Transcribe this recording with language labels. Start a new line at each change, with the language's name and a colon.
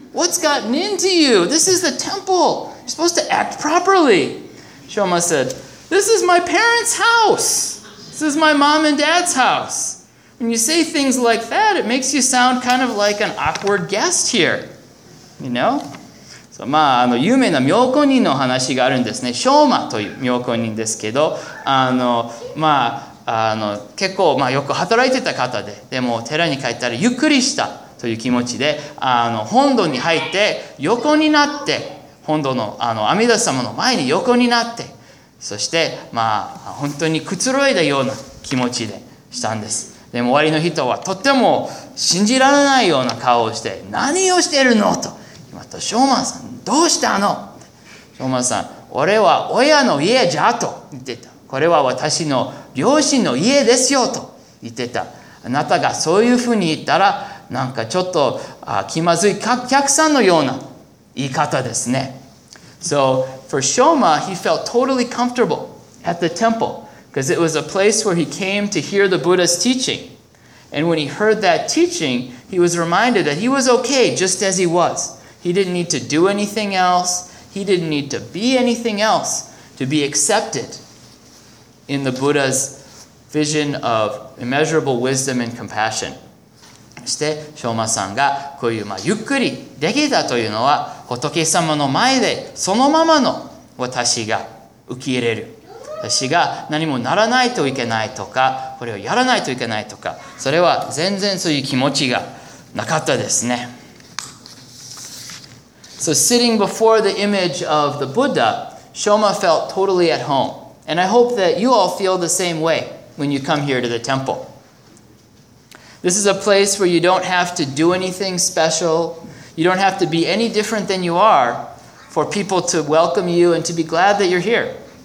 English: What's gotten into you? This is the temple. You're supposed to act properly. Shoma said, this is my parents' house. This is my mom and dad's house. When you say things like that, it makes you sound kind of like an awkward guest here. You know?
Japanese: そう、まあ、あの、有名な妙子人の話があるんですね。ショーマという妙子人ですけど、あの、まあ、あの、結構、まあ、よく働いてた方で、でも、寺に帰ったらゆっくりしたという気持ちで、あの、本堂に入って、横になって、本堂の、あの、阿弥陀様の前に横になって、そして、まあ、本当にくつろいだような気持ちでしたんです。でも、終わりの人はとっても信じられないような顔をして、何をしてるのと。またショーマンさん、どうしたの？ショーマンさん、俺は親の家じゃと言ってた。これは私の両親の家ですよと言ってた。あなたがそういうふうに言ったら、なんかちょっと気まずい客さんのような言い方ですね。
English: So, for Shoma, he felt totally comfortable at the temple because it was a place where he came to hear the Buddha's teaching. And when he heard that teaching, he was reminded that he was okay just as he was. He didn't need to do anything else. He didn't need to be anything else to be accepted in the Buddha's vision of immeasurable wisdom and compassion.
Japanese: そして、ショーマさんがこういう、まあ、ゆっくりできたというのは、仏様の前でそのままの私が受け入れる。私が何もならないといけないとか、これをやらないといけないとか、それは全然そういう気持ちがなかったですね。
English: So sitting before the image of the Buddha, Shoma felt totally at home. And I hope that you all feel the same way when you come here to the temple. This is a place where you don't have to do anything special. You don't have to be any different than you are for people to welcome you and to be glad that you're here.